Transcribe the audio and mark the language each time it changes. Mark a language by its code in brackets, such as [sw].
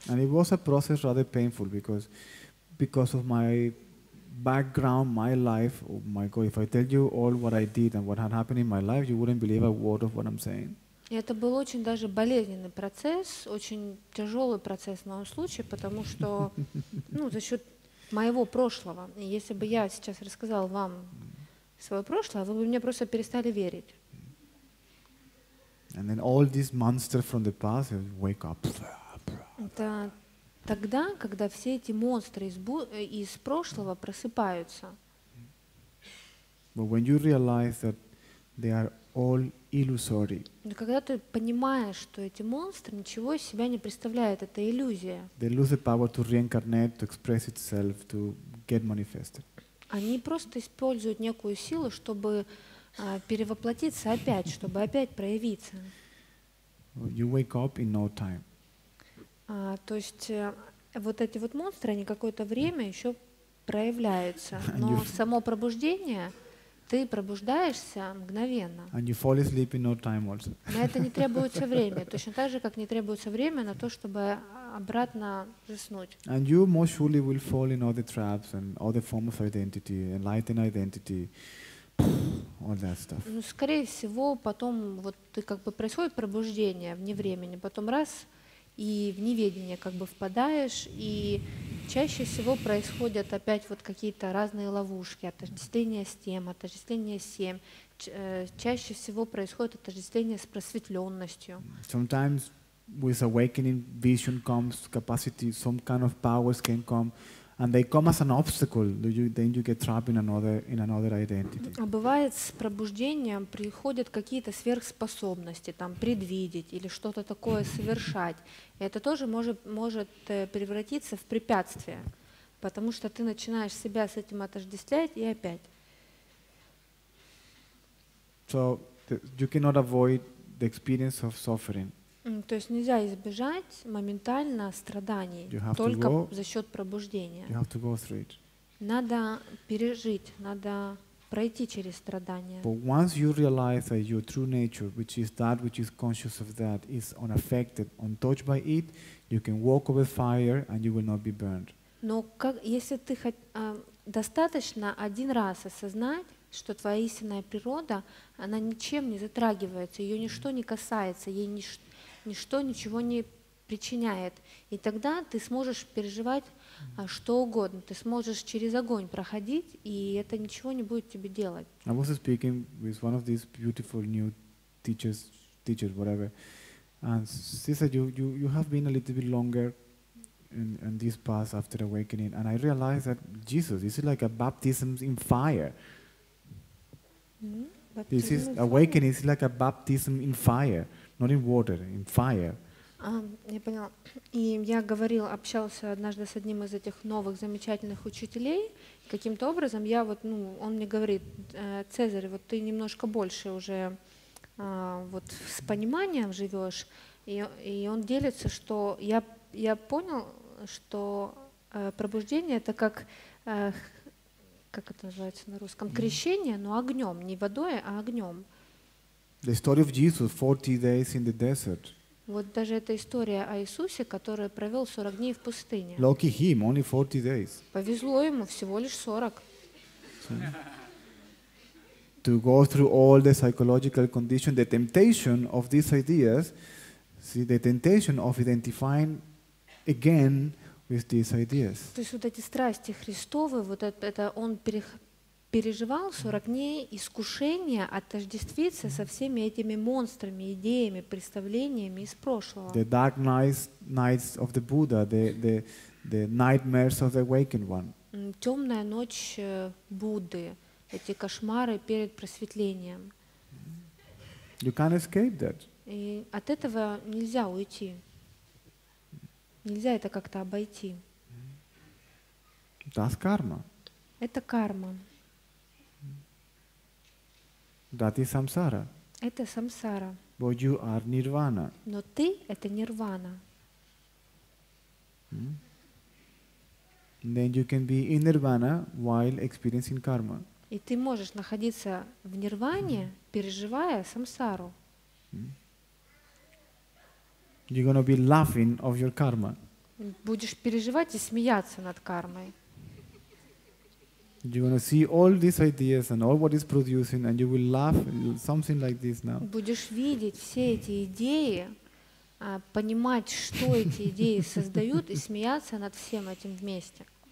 [en] And it was a process rather painful because of my background, my life. Oh my God, if I tell you all what I did and what had happened in my life, you wouldn't believe a word of what I'm saying. [ru] И это был очень даже болезненный процесс, очень тяжелый процесс в моем случае, потому что, ну, за счет моего прошлого. И если бы я сейчас рассказала вам свое прошлое, вы бы мне просто перестали верить. [en] And then all these monsters from the past wake up. [ru] Это тогда, когда все эти монстры из прошлого просыпаются. [en] But when you realize that they are all illusory. [ru] Но когда ты понимаешь, что эти монстры ничего из себя не представляют, это иллюзия. [en] They lose the power to reincarnate, to express itself, to get manifested. [ru] Они просто используют некую силу, чтобы перевоплотиться опять, чтобы опять проявиться. [en] You wake up in no time. [ru] То есть вот эти вот монстры, они какое-то время еще проявляются, но само пробуждение, ты пробуждаешься мгновенно. [en] And you fall asleep in no time also. [ru] На это не требуется время, точно так же, как не требуется время на то, чтобы обратно заснуть. [en] And you most surely will fall in all the traps and all the forms of identity, enlightened identity. All that stuff. [ru] Ну, скорее всего, потом вот ты как бы происходит пробуждение вне времени, потом раз и в неведение как бы впадаешь, и чаще всего происходят опять вот какие-то разные ловушки, отождествление с тем, отождествление с тем. Чаще всего происходит отождествление с просветленностью. [en] Sometimes with awakening, vision comes, capacity, some kind of powers can come. And they come as an obstacle. Then you get trapped in another identity. [ru] А бывает, с пробуждением приходят какие-то сверхспособности, там предвидеть или что-то такое совершать. И это тоже может превратиться в препятствие, потому что ты начинаешь себя с этим отождествлять и опять. [en] So you cannot avoid the experience of suffering. [ru] То есть нельзя избежать моментально страданий только за счет пробуждения. [en] You have to go through it. [ru] Надо пережить, надо пройти через страдания. [en] But once you realize that your true nature, which is that which is conscious of that, is unaffected, untouched by it, you can walk over fire and you will not be burned. [ru] Но как, если ты достаточно один раз осознать, что твоя истинная природа, она ничем не затрагивается, ее ничто не касается, ей ничто ничего не причиняет. И тогда ты сможешь переживать что угодно, ты сможешь через огонь проходить, и это ничего не будет тебе делать. [en] I was speaking with one of these beautiful new teachers, whatever, and she said, you have been a little bit longer in this path after awakening, and I realized that Jesus, this is like a baptism in fire. This is awakening. It's like a baptism in fire, not in water, in fire. [ru] Я поняла. И я говорил, общался однажды с одним из этих новых замечательных учителей. Каким-то образом я вот, ну, он мне говорит, Цезарь, вот ты немножко больше уже вот с пониманием живешь. И он делится, что я понял, что пробуждение это как как это называется на русском, крещение, но огнем, не водой, а огнем. [en] The story of Jesus, 40 days in the desert. [ru] Вот даже эта история о Иисусе, который провел 40 дней в пустыне. [en] Lucky him, only 40 days. [ru] Повезло ему, всего лишь 40. [en] To go through all the psychological condition, the temptation of these ideas, see, the temptation of identifying again with these ideas. [ru] То есть вот эти страсти Христовы, вот это он переживал 40 дней искушения отождествиться со всеми этими монстрами, идеями, представлениями из прошлого. [en] The dark nights of the Buddha, the nightmares of the awakened one. [ru] Темная ночь Будды, эти кошмары перед просветлением. [en] You can't escape that. [ru] И от этого нельзя уйти. Нельзя это как-то обойти. [en] That's karma. [ru] Это карма. [en] That is samsara. [ru] Это самсара. [en] But you are nirvana. [ru] Но ты — это нирвана. [en] Then you can be in nirvana while experiencing karma. [ru] И ты можешь находиться в нирване, переживая самсару. [en] You're gonna be laughing of your karma. [ru] Будешь переживать и смеяться над кармой. [en] You're gonna see all these ideas and all what it's producing, and you will laugh something like this now. [ru] Будешь видеть все эти идеи, понимать, что эти идеи создают, и смеяться над всем этим вместе.